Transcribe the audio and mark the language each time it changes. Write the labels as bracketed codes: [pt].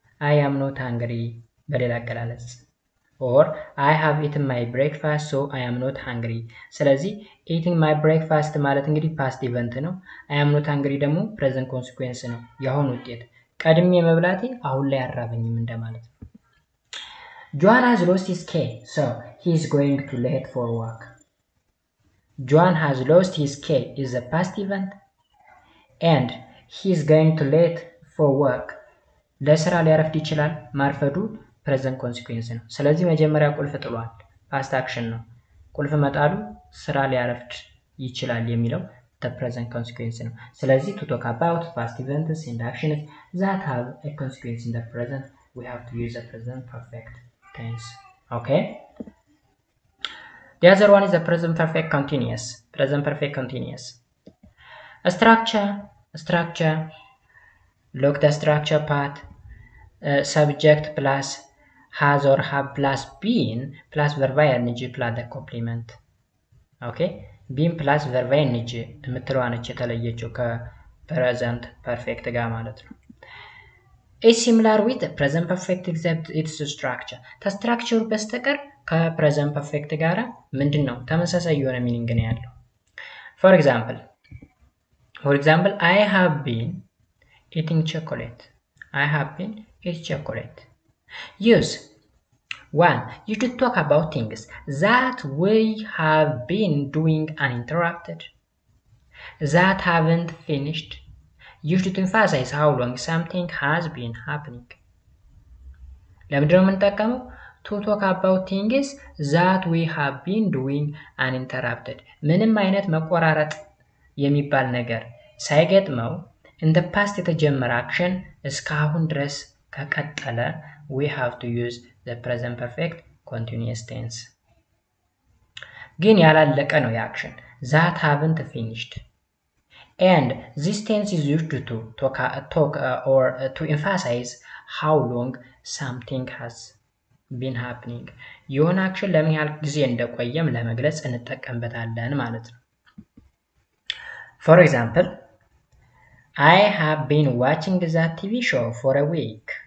[en] I am not hungry በሌላ አገላለጽ or I have eaten my breakfast so I am not hungry ስለዚህ eating my breakfast ማለት እንግዲህ past event ነው I am not hungry ደግሞ present consequence ነው [am] የሆነ ውጤት ቀድሜ መብላቴ አሁን ላይ አራበኝም እንደማለት ነው [en] John has lost his key so he is going to late for work John has lost his key is a past event and he is going to late for work. [am] ለስራ ሊያረፍድ ይችላል ማርፈዱ present consequence ነው. ስለዚህ መጀመሪያ ቁልፍ ጥሏል past action ነው. ቁልፍ መጣሉ ስራ ሊያረፍድ ይችላል የሚለው the present consequence ነው. [en] ስለዚህ to talk about past events and actions that have a consequence in the present we have to use the present perfect tense. Okay? The other one is the present perfect continuous. Present perfect continuous. A structure. Look the structure part. Subject plus has or have plus been plus verb ing plus the complement. Okay? Been plus verb ing. [am] የምትለዋነች የተለየችው ከpresent perfect ጋር ማለት ነው. [en] It's similar with the present perfect except its structure. The structure በስተቀር ከpresent perfect ጋር [am] ምንድነው ተመሳሳይ የሆነ [en] meaning ነው ያለው for example I have been eating chocolate use one you should talk about things that we have been doing uninterrupted that haven't finished. You should emphasize how long something has been happening. [am] ለምንድን ነው የምንጠቀመው? [en] To talk about things that we have been doing uninterrupted. [am] ምንም አይነት መቆራረጥ የሚባል ነገር ሳይገጥመው in the past የተጀመረ action እስካሁን ድረስ ከቀጠለ [en] we have to use the present perfect continuous tense. [am] ግን ያላለቀ ነው የአክሽን [en] that haven't finished. And this tense is used to talk or to emphasize how long something has been happening. [am] የሆነ አክሽን ለምን ያህል ጊዜ እንደቆየም ለመግለጽ እንጠቀምበታለን ማለት ነው። [en] For example, I have been watching that TV show for a week.